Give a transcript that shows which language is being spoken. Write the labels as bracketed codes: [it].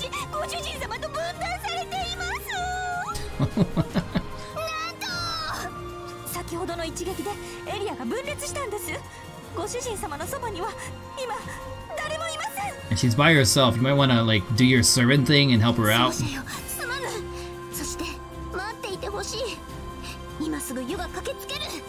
[ja] ご主人様と分断されていますなんと先ほどの一撃でエリアが分裂したんですご主人様のそばには今誰もいません [en] And she's by herself. You might want to like do your servant thing and help her out. [ja] すまぬそして待っていてほしい今すぐ湯が駆けつける